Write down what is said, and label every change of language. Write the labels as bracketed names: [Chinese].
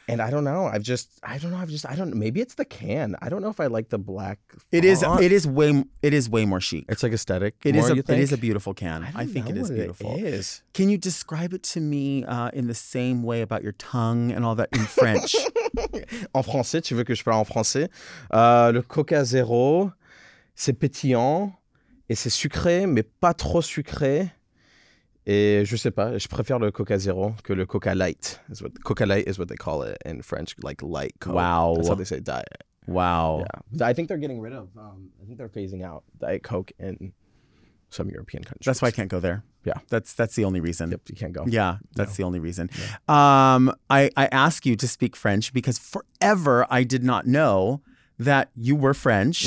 [English] And I don't know. Maybe it's the can. I don't know if I like the black. It is way more chic. It's like aesthetic. It is a beautiful can. I think it is beautiful. It is. Can you describe it to me in the same way about your tongue and all that in French? [French] En français, tu veux que je parle en français? Le Coca Zero, c'est pétillant et c'est sucré, mais pas trop sucré. Et je sais pas, je préfère le Coca Zero que le Coca Light. Coca Light [English] is what they call it in French, like light Coke. Wow. That's how they say diet. Wow. Yeah. I think they're getting rid of, I think they're phasing out Diet Coke in some European countries. That's why I can't go there. Yeah. That's the only reason. Yep, you can't go. Yeah, that's the only reason. Yeah. I ask you to speak French because forever I did not know that you were French.